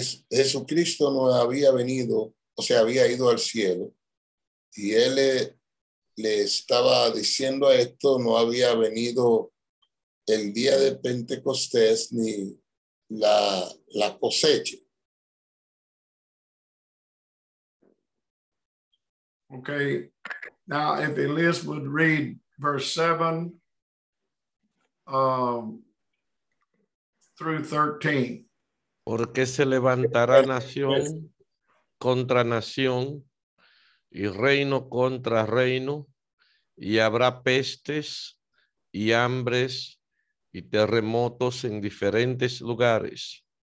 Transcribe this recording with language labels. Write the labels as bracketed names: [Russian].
[Spanish] Jesucristo no había venido, o sea, había ido al cielo, y él le estaba diciendo esto, no había venido el día de Pentecostés ni la cosecha. [English] Okay, now if Elias would read verse 7 through 13. [Spanish] Porque se levantará nación contra nación y reino contra reino, y habrá pestes y hambres y terremotos en diferentes lugares.